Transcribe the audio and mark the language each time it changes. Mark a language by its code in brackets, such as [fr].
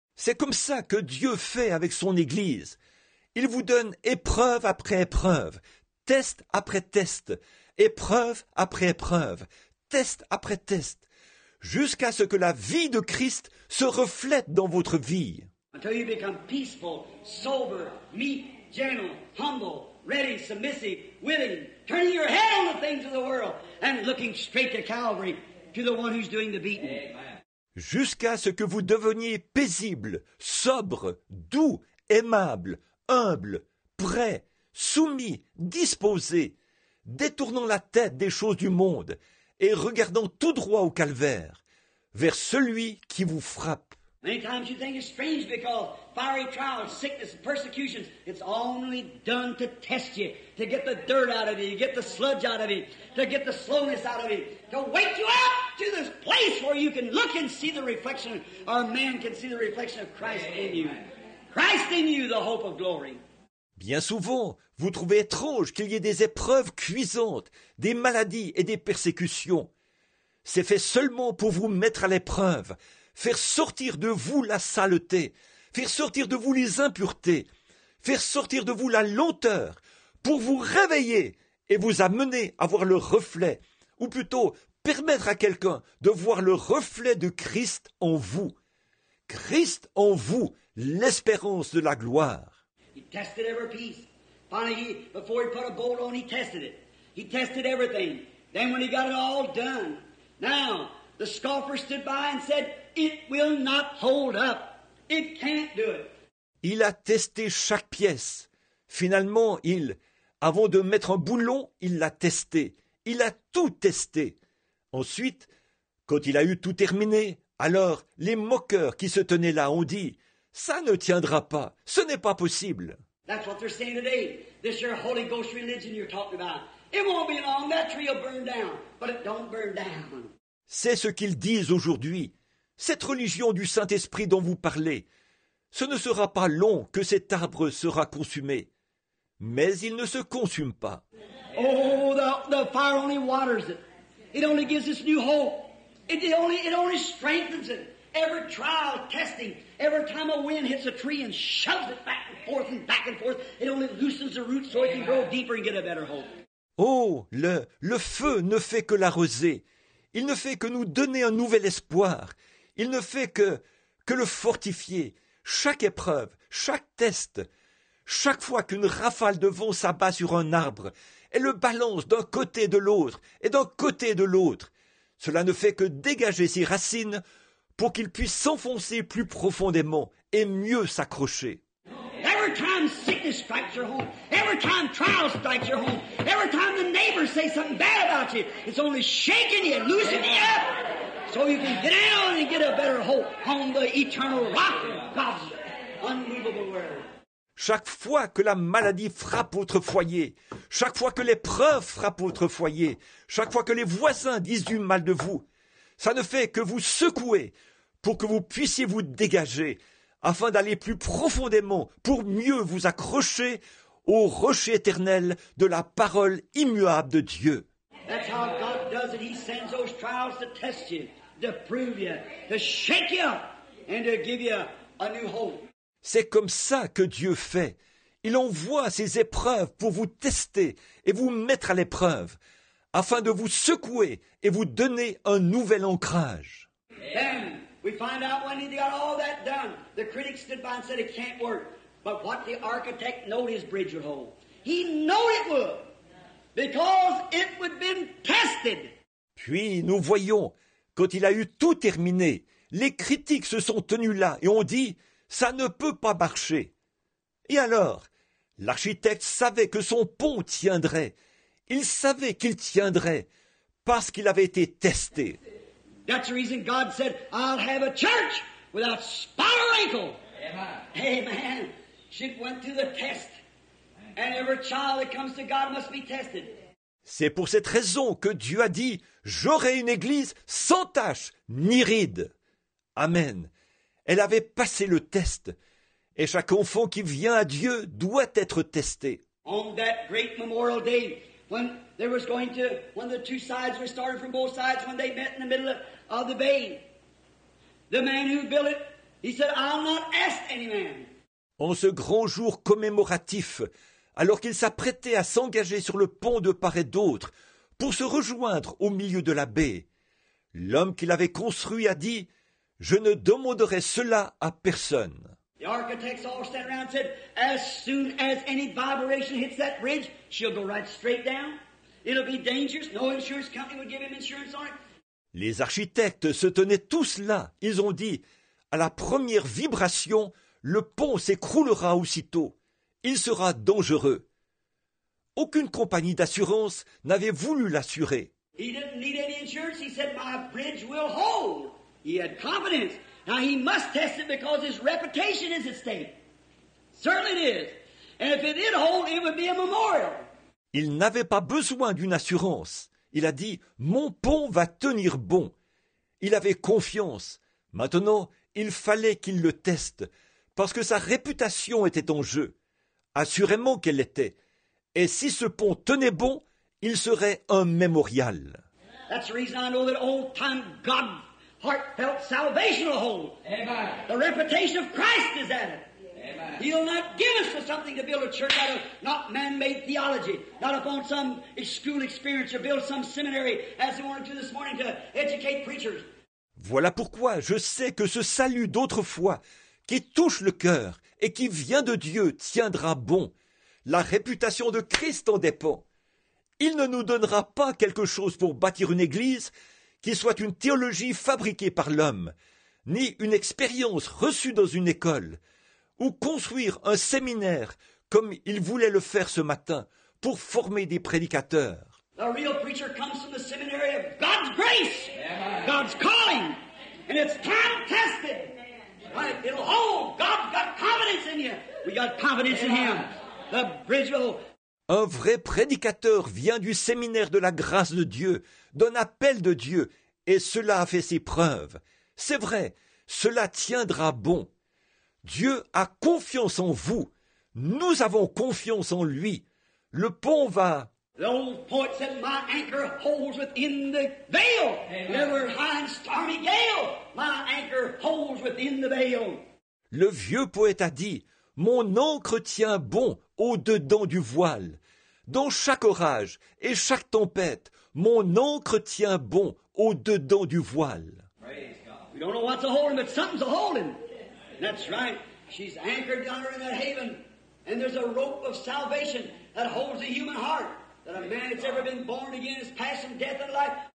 [fr] C'est comme ça que Dieu fait avec son Église. Il vous donne épreuve après épreuve, test après test, épreuve après épreuve, test après test, jusqu'à ce que la vie de Christ se reflète dans votre vie. [en] Until you become peaceful, sober, meek, gentle, humble, ready, submissive, willing, turning your head on the things of the world and looking straight to Calvary, to the one who's doing the beating. Amen. [fr] Jusqu'à ce que vous deveniez paisible, sobre, doux, aimable, humble, prêt, soumis, disposé, détournant la tête des choses du monde et regardant tout droit au calvaire, vers celui qui vous frappe. [en] Many times you think it's strange because fiery trials, sickness, persecutions, it's only done to test you, to get the dirt out of you, get the sludge out of you, to get the slowness out of you, to wake you up to this place where you can look and see the reflection, or a man can see the reflection of Christ in you. Christ in you, the hope of glory. [fr] Bien souvent, vous trouvez étrange qu'il y ait des épreuves cuisantes, des maladies et des persécutions. C'est fait seulement pour vous mettre à l'épreuve. Faire sortir de vous la saleté, faire sortir de vous les impuretés, faire sortir de vous la lenteur pour vous réveiller et vous amener à voir le reflet, ou plutôt permettre à quelqu'un de voir le reflet de Christ en vous. Christ en vous, l'espérance de la gloire. [en] He tested every piece. Finally, before he put a bolt on, he tested it. He tested everything. Then when he got it all done, now the scoffer stood by and said, it will not hold up. It can't do it. [fr] Il a testé chaque pièce. Finalement, avant de mettre un boulon, il l'a testé. Il a tout testé. Ensuite, quand il a eu tout terminé, alors les moqueurs qui se tenaient là ont dit, ça ne tiendra pas. Ce n'est pas possible. [en] That's what they're saying today. This is your Holy Ghost religion you're talking about. It won't be long. That tree will burn down. But it don't burn down. [fr] C'est ce qu'ils disent aujourd'hui. Cette religion du Saint-Esprit dont vous parlez, ce ne sera pas long que cet arbre sera consumé. Mais il ne se consume pas. [en] Oh, the fire only waters it. It only gives us new hope. It only strengthens it. Every trial, testing, every time a wind hits a tree and shoves it back and forth and back and forth, it only loosens the roots so it can grow deeper and get a better hold. [fr] Oh, le feu ne fait que l'arroser. Il ne fait que nous donner un nouvel espoir. Il ne fait que le fortifier. Chaque épreuve, chaque test, chaque fois qu'une rafale de vent s'abat sur un arbre, elle le balance d'un côté de l'autre et d'un côté de l'autre. Cela ne fait que dégager ses racines pour qu'il puisse s'enfoncer plus profondément et mieux s'accrocher. [en] Every time sickness strikes your home, every time trial strikes your home, every time the neighbors say something bad about you, it's only shaking you and loosening you up so you can get down and get a better hope on the eternal rock of God's unmovable word. [fr] Chaque fois que la maladie frappe votre foyer, chaque fois que l'épreuve frappe votre foyer, chaque fois que les voisins disent du mal de vous, ça ne fait que vous secouer pour que vous puissiez vous dégager afin d'aller plus profondément pour mieux vous accrocher au rocher éternel de la parole immuable de Dieu. [en] That's how God does it. He sends those trials to test you, to prove you, to shake you and to give you a new hope. [fr] C'est comme ça que Dieu fait. Il envoie ses épreuves pour vous tester et vous mettre à l'épreuve, afin de vous secouer et vous donner un nouvel ancrage. [en] Then we find out when he got all that done, the critics stood by and said it can't work. But what the architect knew his bridge would hold. He knew it would, because it would have been tested. [fr] Puis nous voyons, quand il a eu tout terminé, les critiques se sont tenus là et ont dit: ça ne peut pas marcher. Et alors, l'architecte savait que son pont tiendrait. Il savait qu'il tiendrait parce qu'il avait été testé. [en] That's the reason God said, I'll have a church without spot or wrinkle. Amen. Amen. She went through the test. And every child that comes to God must be tested. [fr] C'est pour cette raison que Dieu a dit, j'aurai une église sans tache ni ride. Amen. Elle avait passé le test. Et chaque enfant qui vient à Dieu doit être testé. [en] On that great memorial day, when there was going to, when the two sides were starting from both sides, when they met in the middle of the bay, the man who built it, he said, I'll not ask any man. [fr] En ce grand jour commémoratif, alors qu'il s'apprêtait à s'engager sur le pont de part et d'autre pour se rejoindre au milieu de la baie, l'homme qu'il avait construit a dit, je ne demanderai cela à personne. [en] The architects all stand around and said, as soon as any vibration hits that bridge, she'll go right straight down. It'll be dangerous. No insurance company would give him insurance on it. [fr] Les architectes se tenaient tous là. Ils ont dit, à la première vibration, le pont s'écroulera aussitôt. Il sera dangereux. Aucune compagnie d'assurance n'avait voulu l'assurer. [en] He didn't need any insurance. He said, my bridge will hold. He had confidence. Now he must test it because his reputation is at stake. Certainly it is. And if it did hold, it would be a memorial. [fr] Il n'avait pas besoin d'une assurance. Il a dit, mon pont va tenir bon. Il avait confiance. Maintenant, il fallait qu'il le teste parce que sa réputation était en jeu. Assurément qu'elle l'était. Et si ce pont tenait bon, il serait un mémorial. [en] That's the reason I know that old time God heartfelt salvation will hold. Amen. The reputation of Christ is at it. Amen. He'll not give us something to build a church out of, not man-made theology, not upon some school experience or build some seminary as they wanted to this morning to educate preachers. [fr] Voilà pourquoi je sais que ce salut d'autrefois qui touche le cœur et qui vient de Dieu tiendra bon. La réputation de Christ en dépend. Il ne nous donnera pas quelque chose pour bâtir une église qui soit une théologie fabriquée par l'homme, ni une expérience reçue dans une école, ou construire un séminaire comme il voulait le faire ce matin pour former des prédicateurs. [en] The real preacher comes from the seminary of God's grace, yeah. God's calling, and it's time tested. Right? It'll hold. God's got confidence in you. We got confidence in him. The bridge will hold. [fr] Un vrai prédicateur vient du séminaire de la grâce de Dieu, d'un appel de Dieu, et cela a fait ses preuves. C'est vrai, cela tiendra bon. Dieu a confiance en vous. Nous avons confiance en lui. Le pont va. [en] The old poet said, my anchor holds within the veil. Never high and stormy gale, my anchor holds. holds within the veil. [fr] Le vieux poète a dit, mon ancre tient bon au-dedans du voile. Dans chaque orage et chaque tempête, mon ancre tient bon au-dedans du voile. [en] We don't know what's a holding, but something's a holding. That's right. She's anchored down in that haven. And there's a rope of salvation that holds the human heart. That a man that's ever been born again is passing death and life.